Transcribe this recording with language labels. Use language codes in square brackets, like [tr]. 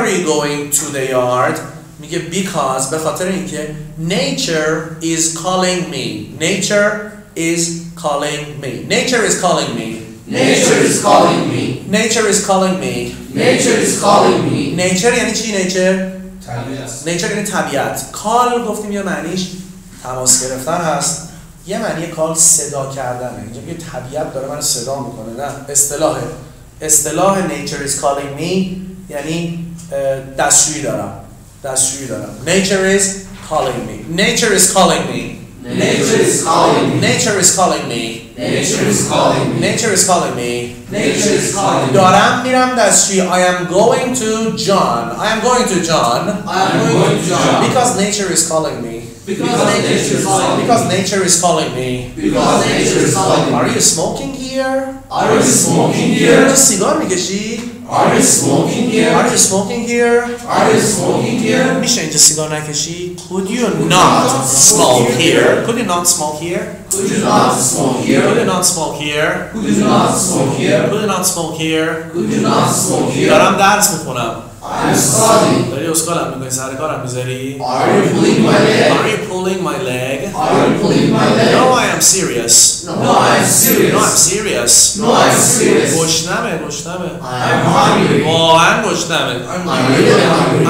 [en] Why are you going to the yard? [fa] میگه [en] because [fa] به خاطر اینکه [en] nature is calling me. Nature is calling me. Nature is calling me. Nature is calling me. Nature is calling me. Nature is calling me. [fa] Nature یعنی چی nature؟ طبیعت. Nature یعنی طبیعت. Call گفتیم یه معنیش تماس گرفتن هست. یه معنی کال صدا کردنه. اینجا یه طبیعت داره من صدا میکنه. نه اصطلاحه. اصطلاح [en] nature is calling me [fa] یعنی دستشویی دارم. دستشویی دارم. [en] Nature is calling me. Nature is calling me. Nature is calling me. Nature is calling me. Nature is calling me. Nature is calling me. Nature is calling me. [fa] دارم میرم دستشویی. [en] I am going to John. I am going to John. I am going to John. Because nature is calling me. Because nature is calling me. Because nature is calling me. Are you smoking here? Are you smoking here? [fa] چه سیگار میکشی؟ [en] Are you smoking here? Are you smoking here? Are you smoking here? [fa] میشه اینجا سیگار نکشی؟ [en] Could you not smoke here? Could you not smoke here? Could you not smoke here? Could you not smoke here? Could you not smoke here? Could you not smoke here? Could you not smoke here? [fa] دارم درس میخونم. [en] I'm studying. [fa] داری اسکالم میکنی سر کارم میذاری؟ [en] Are you pulling my leg? Are you pulling my leg? Are you pulling my leg? No, I am serious. No, I'm serious. No, I'm serious. No, I'm serious. [fa] گشنمه گشنمه. [en] I'm hungry. Oh, I'm [fa] گشنمه. [en] I'm really hungry.